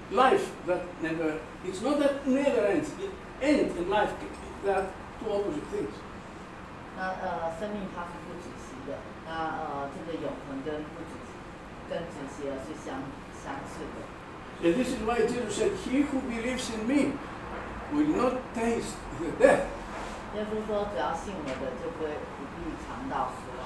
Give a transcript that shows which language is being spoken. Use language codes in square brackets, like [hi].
[en] Life that never, it's not that never ends, it ends in life, there are two opposite things. [zh] 那生命它是不止息的，那这个永恒跟不止息，跟止息而是相似的。 [en] And this is why Jesus said, he who believes in me will not taste the death. [zh] 耶稣说只要信我的就会不必尝到死。